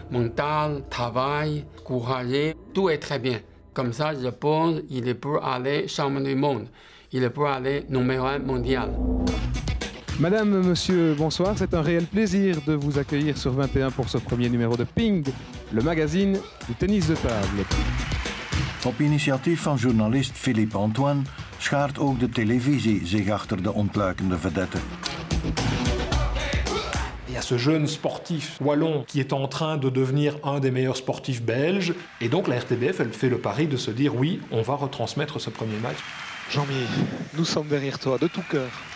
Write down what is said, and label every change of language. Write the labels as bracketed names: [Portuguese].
[French] Mental, travail, courage, tout est très bien. Comme ça, je pense qu'il peut aller champion du monde. Il peut aller numéro un mondial. Madame, monsieur, bonsoir. C'est un réel plaisir de vous accueillir sur 21 pour ce premier numéro de Ping, le magazine du tennis de table. [Dutch] Op initiatief van journalist Philippe Antoine schaart ook de televisie zich achter de ontluikende vedette. [French] Il y a ce jeune sportif wallon qui est en train de devenir un des meilleurs sportifs belges. Et donc la RTBF, elle fait le pari de se dire oui, on va retransmettre ce premier match. Jean-Mi, nous sommes derrière toi de tout cœur.